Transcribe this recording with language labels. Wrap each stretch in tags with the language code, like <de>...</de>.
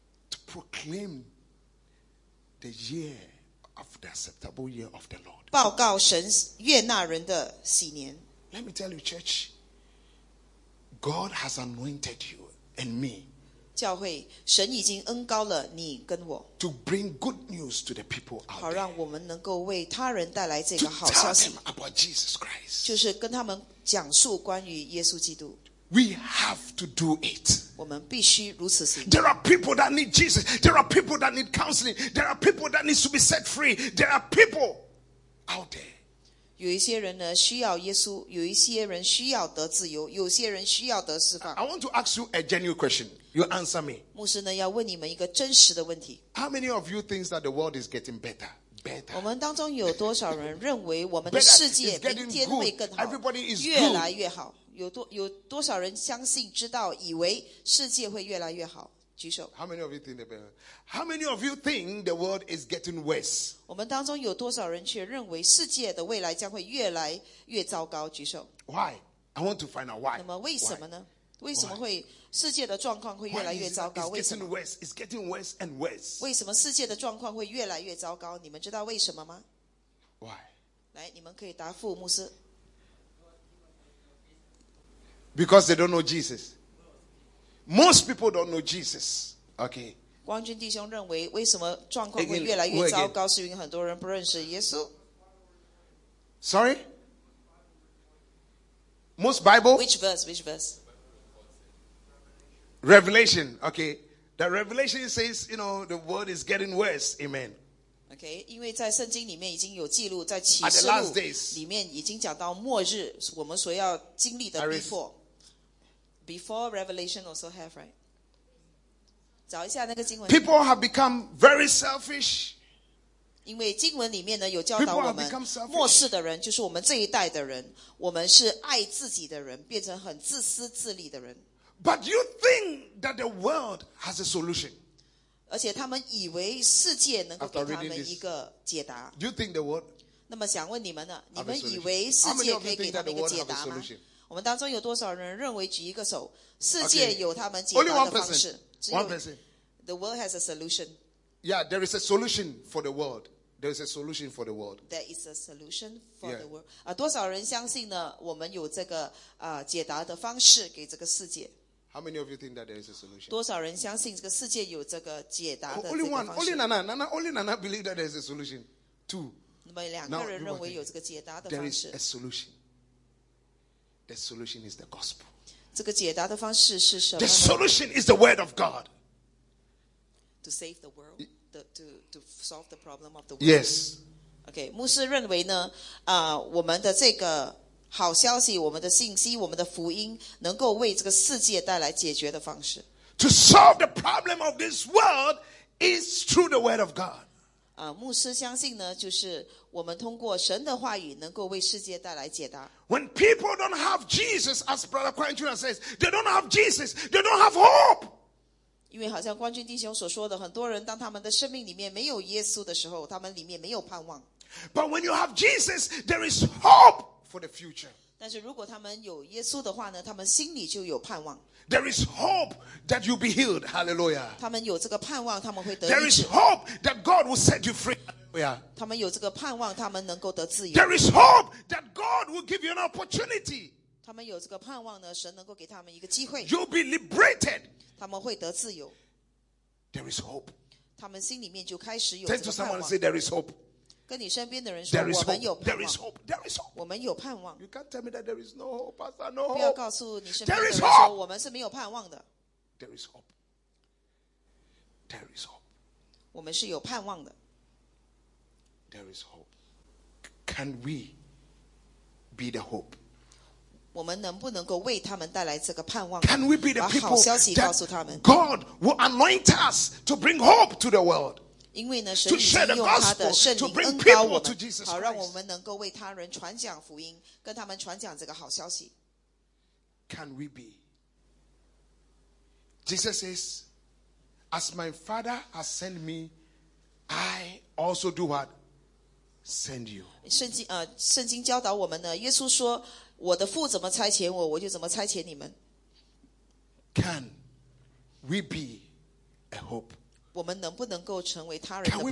<en>To proclaim the year. Of the acceptable year of the Lord.</en> <zh>报告神悦纳人的喜年。</zh> <en>Let me tell you, church. God has anointed you and me.</en> <zh>教会，神已经恩膏了你跟我。</zh> <en>To bring good news to the people out there.</en> <zh>好让我们能够为他人带来这个好消息。</zh> <en>To tell them about Jesus Christ.</en> <zh>就是跟他们讲述关于耶稣基督。</zh> <en>We have to do it.</en> <zh>我们必须如此行。</zh> <en>There are people that need Jesus. There are people that need counseling. There are people that need to be set free. There are people out there.</en> <zh>有一些人呢需要耶稣，有一些人需要得自由，有些人需要得释放。</zh> <en>I want to ask you a genuine question. You answer me.</en> <zh>牧师呢要问你们一个真实的问题。</zh> <en>How many of you think that the world is getting better? Better.</en> <zh>我们当中有多少人认为我们的世界明天会更好</zh> <en>Everybody is</en> <zh>越来越好 有多少人相信知道以为世界会越来越好举手</zh> <en>How many of you think they're better? How many of you think the world is getting worse?</en> <zh>我们当中有多少人却认为世界的未来将会越来越糟糕举手</zh> <en>Why? I want to find out why</en> <zh>那么为什么呢、</zh> <en>why?</en> <zh>为什么会世界的状况会越来越糟糕</zh> <en>it's getting worse, it's getting worse and worse.</en> <zh>为什么世界的状况会越来越糟糕你们知道为什么吗</zh> <en>Why?</en> <zh>来你们可以答复牧师</zh> <en>Because they don't know Jesus. Most people don't know Jesus. Okay.</en> <zh>光军弟兄认为为什么状况会越来越糟糕是因为很多人不认识耶稣</zh> <en>Sorry? Most Bible? Which verse? Revelation, okay. The revelation says, you know, the world is getting worse. Amen.</en> <zh>Okay, 因为在圣经里面已经有记录，在启示录里面已经讲到末日，我们所要经历的</zh> <en>before Revelation also have right.</en> <zh>找一下那个经文。</zh> <en>People have become very selfish.</en> <zh>因为经文里面呢有教导我们，末世的人就是我们这一代的人，我们是爱自己的人，变成很自私自利的人。</zh> <en>But you think that the world has a solution.</en> <zh>而且他们以为世界能够给他们一个解答。</zh> <en>Do you think the world?</en> <zh>那么想问你们呢？你们以为世界可以给他们一个解答吗？我们当中有多少人认为举一个手，世界有他们解答的方式？</zh> <en>Only one person. The world has a solution. Yeah, there is a solution for the world. There is a solution for the world. There is a solution for the world.</en> <zh>多少人相信呢？我们有这个解答的方式给这个世界。</zh> <en>How many of you think that there is a solution?</en> <zh>多少人相信这个世界有这个解答的这个方式</zh> <en>Only one. Only Nana. Nana. Only Nana believe that there is a solution. Two.</en> <zh>那么两个人认为有这个解答的方式</zh> <en>There is a solution. The solution is the gospel.</en> <zh>这个解答的方式是什么</zh> <en>The solution is the word of God. To save the world. To solve the problem of the world. Yes.</en> <zh>Okay. 牧师认为呢，我们的这个好消息，我们的信息，我们的福音，能够为这个世界带来解决的方式。</zh> <en>To solve the problem of this world is through the word of God.</en> <zh>牧师相信呢，就是我们通过神的话语能够为世界带来解答。</zh> <en>When people don't have Jesus, as Brother Quan Jun says, they don't have Jesus, they don't have hope.</en> <zh>因为好像冠军弟兄所说的，很多人当他们的生命里面没有耶稣的时候，他们里面没有盼望。</zh> <en>But when you have Jesus, there is hope for the future.</en> <zh>但是如果他们有耶稣的话呢，他们心里就有盼望。</zh> <en>There is hope that you'll be healed. Hallelujah.</en> <zh>他们有这个盼望，他们会得。</zh> <en>There is hope that God will set you free. Hallelujah.</en> <zh>他们有这个盼望，他们能够得自由。</zh> <en>There is hope that God will give you an opportunity.</en> <zh>他们有这个盼望呢，神能够给他们一个机会。</zh> <en>You'll be liberated.</en> <zh>他们会得自由。</zh> <en>There is hope.</en> <zh>他们心里面就开始有这个盼望。</zh> <en>Tell someone and say there is hope.</en> <zh>跟你身边的人说，我们有盼望。</zh> <en>There is hope. There is hope.</en> <zh>我们有盼望。</zh> <en>You can't tell me that there is no hope, Pastor. No hope.</en> <zh>不要告诉你身边的人说，我们是没有盼望的。</zh> <en>There is hope. There is hope.</en> <zh>我们是有盼望的。</zh> <en>There is hope. Can we be the hope?</en> <zh>我们能不能够为他们带来这个盼望？</zh> <en>Can we be the people</en> <zh>把好消息告诉他们？</zh> <en>God will anoint us to bring hope to the world.</en> <zh>因为呢，神已经用他的圣灵恩膏我们，好让我们能够为他人传讲福音，跟他们传讲这个好消息。</zh> <en>Can we be? Jesus says, "As my Father has sent me, I also do what send you."</en> <zh>圣经教导我们呢，耶稣说，我的父怎么差遣我，我就怎么差遣你们。</zh> <en>Can we be a hope?</en> <zh>我们能不能够成为他人的盼望？</zh>